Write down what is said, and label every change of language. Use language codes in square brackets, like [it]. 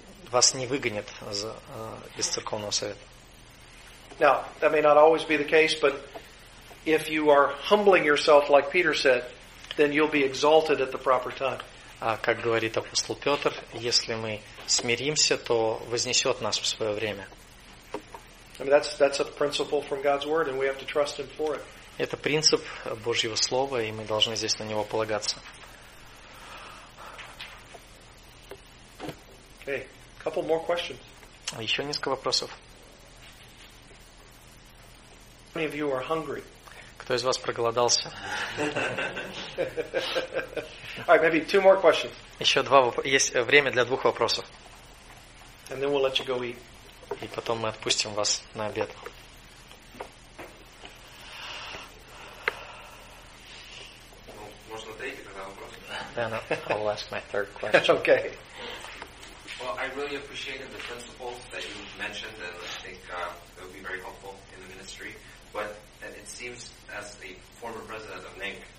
[ru] Вас не выгонят из церковного совета. [en] Now, that may not always be the case, but if you are humbling yourself like Peter said, then you'll be exalted at the proper time. [ru] Как говорит апостол Петр, если мы смиримся, то вознесет нас в свое время. [en] I mean, that's a principle from God's word, and we have to trust Him for it. [ru] Это принцип Божьего слова, и мы должны здесь на него полагаться. [en] Okay, a couple more questions. [ru] Еще несколько вопросов. [en] How many of you are hungry? [ru] Кто из вас проголодался? [en] All right, maybe two more questions. [ru] Еще два есть время для двух вопросов. [en] And then we'll let you go eat. [ru] И потом мы отпустим вас на обед. Можно третий тогда вопрос? [en] Then I'll ask my third question. Okay. Well, I really appreciated the principles that you mentioned, and I think it would be very helpful in the ministry. But it seems, as a former president of NINC,